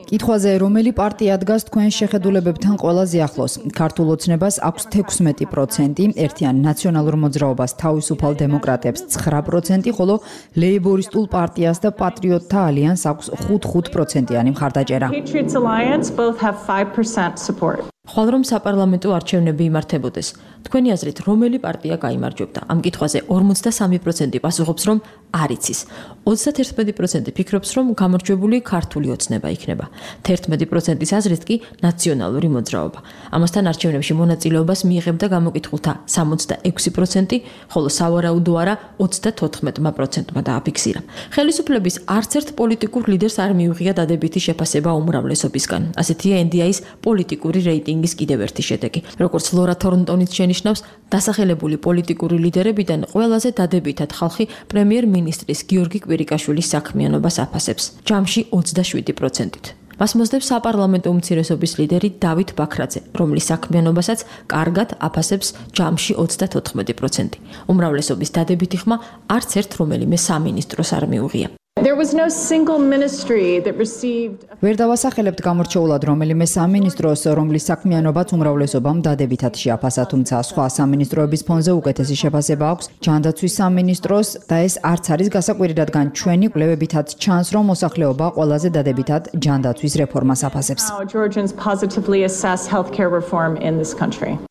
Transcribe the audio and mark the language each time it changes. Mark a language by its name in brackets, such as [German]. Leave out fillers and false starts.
[Georgian] კითხვაზე, რომელი პარტია დგას თქვენ შეხედულებებთან ყველაზე ახლოს? ქართულ ოცნებას აქვს 16%, ერთიან ნაციონალურ მოძრაობას თავისუფალ დემოკრატებს 9%, ხოლო ლეიბორისტულ პარტიას და პატრიოტთა ალიანსს აქვს 5-5%-იანი მხარდაჭერა. [English] Patriots Alliance both have 5% support. [Georgian] ხვალ რომ საპარლამენტო არჩევნები იმართებოდეს, თქვენი აზრით რომელი პარტია გამარჯვებდა? ამ კითხვაზე 43% პასუხობს, რომ არ იცის. 31% ფიქრობს, რომ გამარჯვებული ქართული ოცნება იქნება. 11%-ის აზრით კი ნაციონალური მოძრაობა. ამასთან არჩევნებში მონაწილეობას მიიღებდა გამოკითხულთა 66%, ხოლო სავარაუდო არა 34%-მა დააფიქსირა. ხელისუფლების არცერთ პოლიტიკურ ლიდერს არ მიუღია დადებითი შეფასება უმრავლესობისგან. ასეთია NDI-ის პოლიტიკური რეიტინგის კიდევ ერთი შედეგი. როგორც ლორა თორნტონიც შენიშნავს, დასახელებული პოლიტიკური ლიდერებიდან ყველაზე დადებითად ხალხი პრემიერ-მინისტრის გიორგი კვირიკაშვილის საქმიანობას აფასებს, ჯამში 27%-ით. მას მოსდევს საპარლამენტო უმცირესობის ლიდერი დავით ბაქრაძე, რომლის საქმიანობასაც კარგად აფასებს ჯამში 34%. უმრავლესობის დადებითი ხმა არც ერთ რომელიმე სამინისტროს არ მიუღია. [English] There was no single ministry that received [Georgian] ვერ დავასახელებთ გამორჩეულად რომელიმე სამინისტროს, რომლის საქმიანობაც უმრავლესობამ დადებითად შეაფასა, თუმცა სხვა სამინისტროების ფონზე უკეთესი შეფასება აქვს ჯანდაცვის სამინისტროს და ეს არც არის გასაკვირი, რადგან ჩვენი კვლევებითაც ჩანს, რომ მოსახლეობა ყველაზე დადებითად ჯანდაცვის რეფორმას აფასებს.